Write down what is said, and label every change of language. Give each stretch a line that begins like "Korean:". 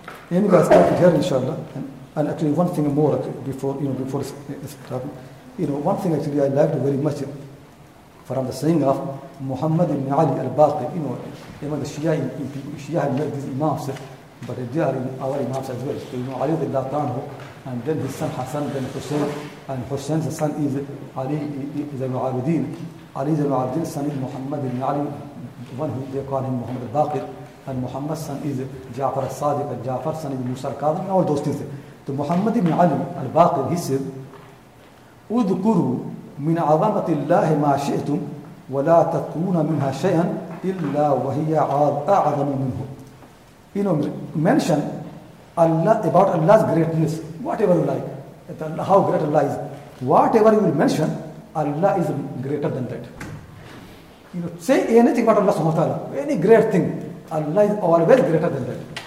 English: Anyway, I'll stop it here, inshallah. And actually, one thing more before, you know, one thing actually I liked very much from the saying of Muhammad ibn Ali al-Baqi, you know, even the Shia, Shia have made these imams, but they are our imams as well. So, you know, Ali ibn Latanho, and then his son Hassan, then Hussein, and Hussein's son is Ali ibn al-Abidin. Ali ibn al-Abidin's son is Muhammad ibn Ali, one who they call him Muhammad al-Baqir, and Muhammad's son is Ja'far al-Sadiq, and Ja'far's son is Musa al-Kadhim, all those things. So Muhammad ibn Ali al-Baqir, he said,
Arabic: اذكروا من عظمة الله ما شئتم ولا تكون منها شيئا إلا وهي أعظم منه.
English: You know, mention Allah, about Allah's greatness, whatever you like, how great Allah is. Whatever you will mention, Allah is greater than that. You know, say anything about Allah subhanahu wa ta'ala, any great thing, Allah is always greater than that.